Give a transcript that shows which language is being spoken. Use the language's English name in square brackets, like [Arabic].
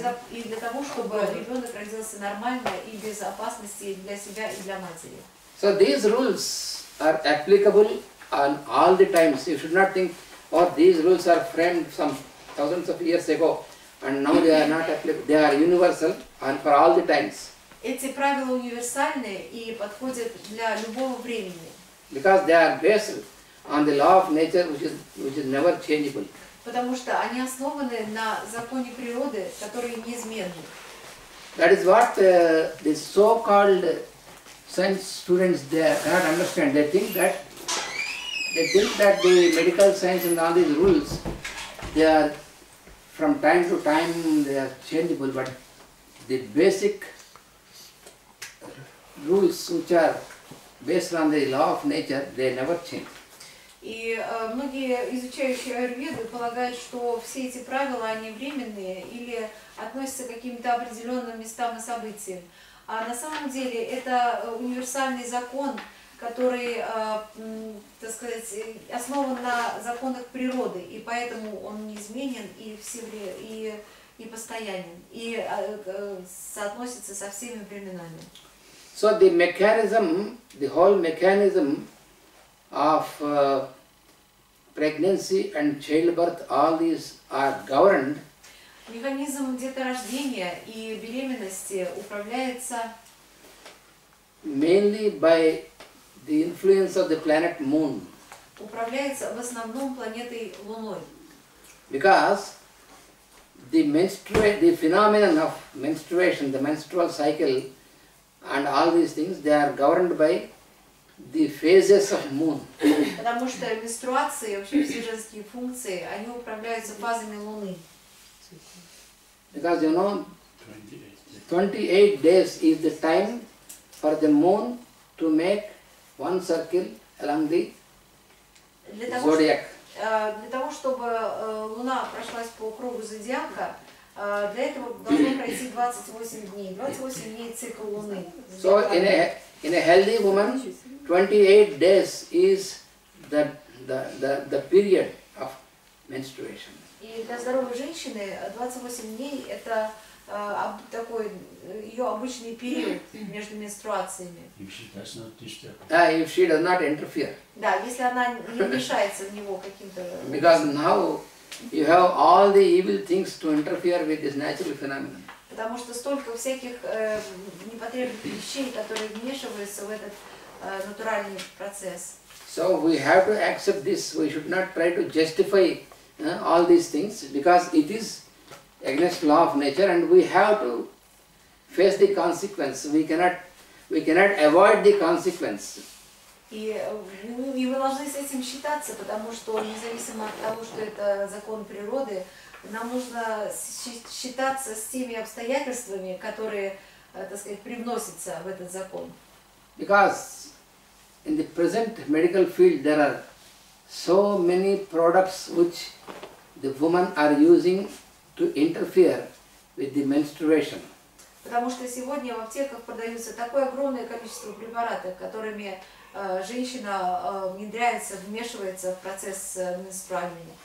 [Russian] и для того, чтобы ребенок родился нормально и без опасности для себя и для матери. [English] So these rules are applicable on all the times. You should not think, oh, these rules are framed some thousands of years ago, and now they are not applicable. They are universal and for all the times. [Russian] Эти правила универсальны и подходят для любого времени. [English] Because they are based on the law of nature, which is never changeable. [Russian] Потому что они основаны на законе природы, который неизменный. [English] That is what the so-called science students there cannot understand. They think that the medical science and all these rules, they are from time to time they are changeable, but the basic rules, which are based on the law of nature, they never change. [Russian] И многие изучающие аюрведу полагают, что все эти правила они временные или относятся к каким-то определенным местам и событиям. А на самом деле это универсальный закон, который, так сказать, основан на законах природы, и поэтому он неизменен и постоянен и соотносится со всеми временами. [English] So the mechanism, the whole mechanism of pregnancy and childbirth, all these are governed. [Russian] Механизм деторождения и беременности управляется [English] mainly by the influence of the planet Moon. [Russian] Управляется в основном планетой Луной. [English] Because the menstrual, the phenomenon of menstruation, the menstrual cycle, and all these things, they are governed by the phases of moon. [Russian] Потому что менструация и вообще все женские функции, они управляются фазами луны. [English] Because you know, 28 days is the time for the moon to make one circle along the zodiac. [Russian] Для того чтобы луна прошлась по кругу зодиака, для этого должно пройти 28 дней. 28 дней цикл луны. [English] So in a healthy woman, 28 days is the period of menstruation. [Russian] И для здоровой женщины 28 дней это такой ее обычный период между менструациями. [English] If she does not interfere. [Russian] Да, если она не мешается в него каким-то. [English] Because now you have all the evil things to interfere with this natural phenomenon. [Russian] Потому что столько всяких непотребных вещей, которые вмешиваются в этот натуральный процесс. [English] So we have to accept this. We should not try to justify all these things, because it is against law of nature, and we have to face the consequence. We cannot avoid the consequence. [Russian] И вы должны с этим считаться, потому что независимо от того, что это закон природы, нам нужно считаться с теми обстоятельствами, которые, так сказать, привносятся в этот закон. [English] Because in the present medical field there are so many products which the women are using to interfere with the menstruation. [Russian] Потому что сегодня в аптеках продаются такое огромное количество препаратов, которыми женщина внедряется, вмешивается в процесс менструальный.